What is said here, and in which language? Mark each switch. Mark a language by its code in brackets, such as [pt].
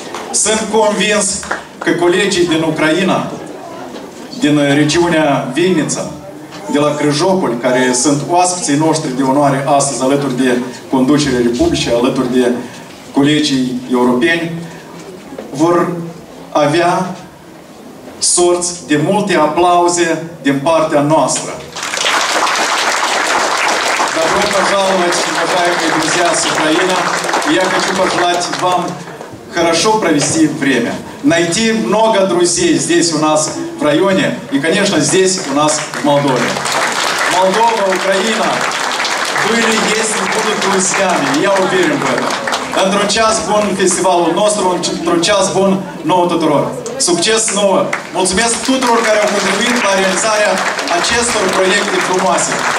[ro] Sunt convins că colegii din Ucraina, din regiunea Vinnița, de la Crăjopoli, care sunt oaspeții noștri de onoare astăzi, alături de conducerea Republicii, alături de colegii europeni, vor avea sorți de multe aplauze din partea noastră. Dar vreau [ru] пожаловать și уважаемые друзья с Украины, я хочу пожелать вам хорошо провести время, найти много друзей здесь у нас в районе и, конечно, здесь у нас в Молдове. Молдова, Украина были, есть и будут друзьями, я уверен в этом. [ro] Într-un час bun festivalul nostru, într-un час bun nouă tuturor. Succes nouă! Mulțumesc tuturor care au contribuit la realizarea acestor proiecte frumoase.